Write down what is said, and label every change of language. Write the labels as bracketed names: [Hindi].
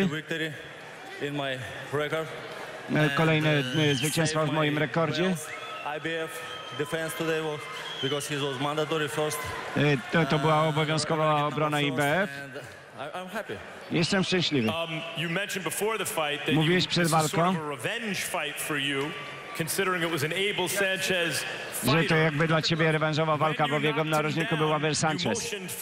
[English] Got the victory in my record. [Polish] Kolejne zwycięstwo w moim rekordzie. [English] IBF defense today was because he was mandatory first. [Polish] To była obowiązkowa obrona IBF. [English] I'm happy. [Polish] Jestem szczęśliwy. [English] You mentioned before the fight that [Polish] mówiłeś przed walką, [English] sort of a revenge fight for you, considering it was an Abel Sanchez fighter. [Polish] Że to jakby dla ciebie rewanżowa walka, bo w jego narożniku był Abel Sanchez.